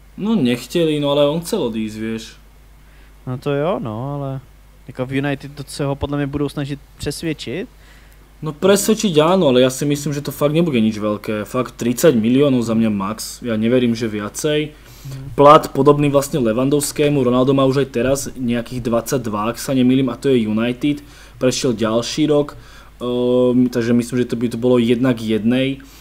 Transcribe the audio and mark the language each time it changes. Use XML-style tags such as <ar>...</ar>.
<cs>No nechtěli,</cs> <sk>no ale on chcel odísť, vieš.</sk> <cs>No to jo, no, ale jako v United to se ho podle mě budou snažit přesvědčit.</cs> <sk>No presvedčiť áno, ale ja si myslím, že to fakt nebude nič veľké. Fakt 30 miliónov za mňa max. Ja neverím, že viacej. Plat podobný vlastne Lewandowskému. Ronaldo má už aj teraz nejakých 22, ak sa nemýlim, a to je United. Prešiel ďalší rok, takže myslím, že to by to bolo jednak jednej.</sk>